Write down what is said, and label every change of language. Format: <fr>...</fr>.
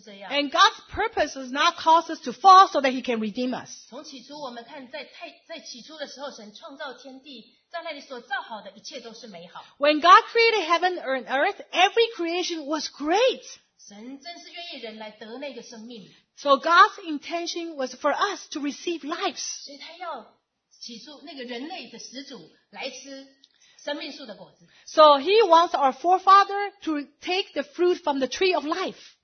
<en>And God's purpose is not cause us to fall so that He can redeem us.</en> <zh>从起初我们看在起初的时候神创造天地在那里所造好的一切都是美好。</zh> <en>When God created heaven and earth, every creation was great.</en> <zh>神真是愿意人来得那个生命。</zh> <en>So God's intention was for us to receive lives.</en> <zh>所以他要起初那个人类的始祖来吃。</zh> <en>So he wants our forefather to take the fruit from the tree of life.</en>